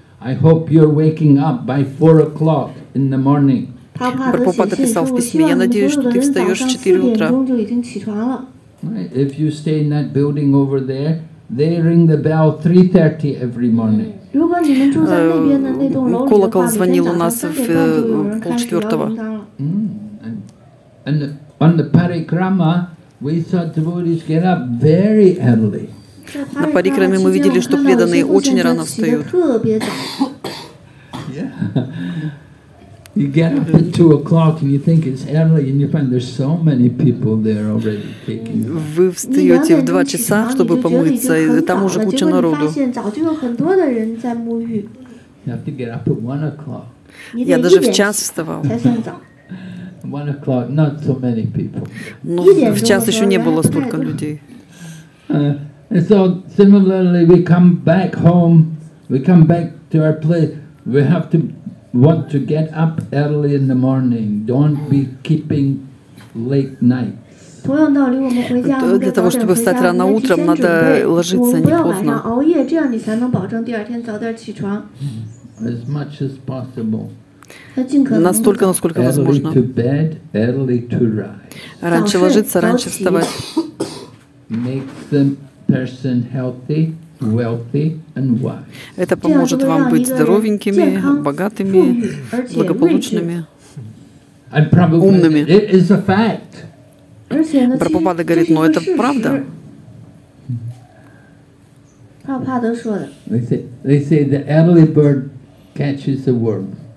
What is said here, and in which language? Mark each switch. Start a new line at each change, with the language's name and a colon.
English: I hope you're waking up by 4 o'clock in the morning.
Russian: Прабхупада писал в письме, я надеюсь, что ты встаешь в 4 утра.
English: If you stay in that building over there, they ring the bell 3:30 every morning.
Russian: Колокол звонил у нас в 3:30.
English: And on the parikrama, we saw devotees get up very early.
Russian: На парикраме мы видели, что преданные очень рано встают.
English: Yeah. You get up at 2 o'clock and you think it's early and you find there's so many people there already taking.
Russian: Вы встаете в 2 часа, чтобы помыться, и там уже куча народу.
English: You have to get up at 1 o'clock.
Russian: Я даже в час вставал.
English: 1 o'clock, not so many people.
Russian: Ну, в час еще не было столько людей.
English: And so similarly, we come back home, we come back to our place. We have to want to get up early in the morning. Don't be keeping late nights.
Russian: Для того, чтобы встать рано утром, надо ложиться не поздно.
English: As much as possible.
Russian: Настолько, насколько возможно.
English: Early to rise.
Russian: Раньше ложиться, раньше вставать.
English: Makes the person healthy, wealthy and wise.
Russian: Это поможет вам быть здоровенькими, богатыми, благополучными, умными.
English: It is a fact.
Russian: Прабхупада говорит, но это правда.
English: They say the early bird catches the worm.